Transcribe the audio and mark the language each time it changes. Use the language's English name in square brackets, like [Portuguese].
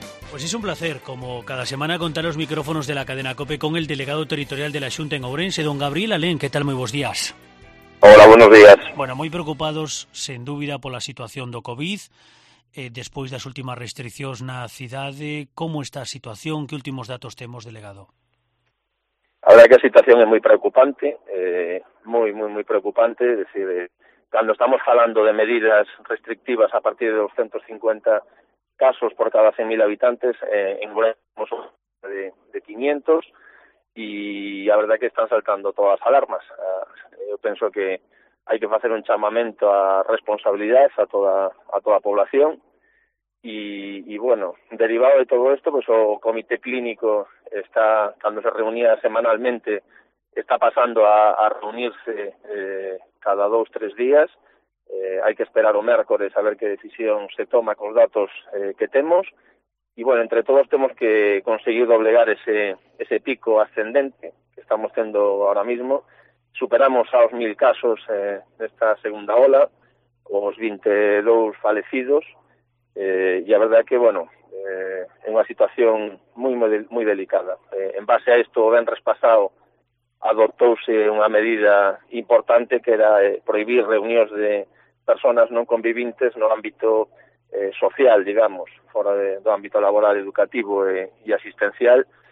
[Spanish] Pues es un placer, como cada semana, contar los micrófonos de la cadena COPE con el delegado territorial de la Xunta en Ourense, don Gabriel Alén. ¿Qué tal? Muy buenos días. Hola, buenos días. Bueno, muy preocupados, sin duda, por la situación do COVID. Después de las últimas restricciones na cidade, ¿cómo está a situación? ¿Qué últimos datos temos, delegado? [Galician] A verdad que a situación é moi preocupante, moi preocupante. [Spanish] Es decir, [Galician] cando estamos falando de medidas restrictivas a partir de 250 casos por cada 100.000 habitantes, en Ourense de 500, y a verdad que están saltando todas as alarmas. Yo penso que hai que facer un chamamento a responsabilidades a toda a población, [Spanish] y bueno, derivado de todo esto, pues [Galician] o comité clínico está, cando se reunía semanalmente, está pasando a reunirse cada 2-3 días. Hai que esperar o mércores a ver que decisión se toma cos datos que temos, y bueno, entre todos temos que conseguir doblegar ese pico ascendente que estamos tendo [Spanish] ahora mismo. [Galician] Superamos aos 1.000 casos nesta segunda ola, os 22 falecidos, y a verdade que, bueno, é unha situación moi delicada. En base a isto, ben respasado, adoptouse unha medida importante que era prohibir reunións de personas non conviventes no ámbito social, digamos, fora do ámbito laboral, educativo e asistencial.